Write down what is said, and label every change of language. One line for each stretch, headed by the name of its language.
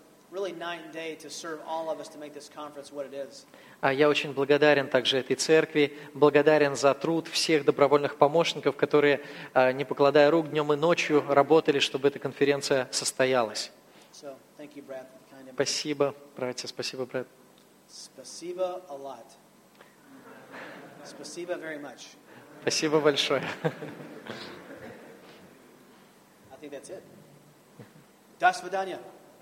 English: Really night and day to serve all of us to make this conference what it is.
Russian: Я очень благодарен также этой церкви, благодарен за труд всех добровольных помощников, которые, не покладая рук, днем и ночью работали, чтобы эта конференция состоялась.
English: So, thank you, Brad.
Russian: Спасибо, братья, спасибо, Брэд. Спасибо
English: a lot. Спасибо very much.
Russian: Спасибо большое.
English: I think that's it.
Russian: До свидания.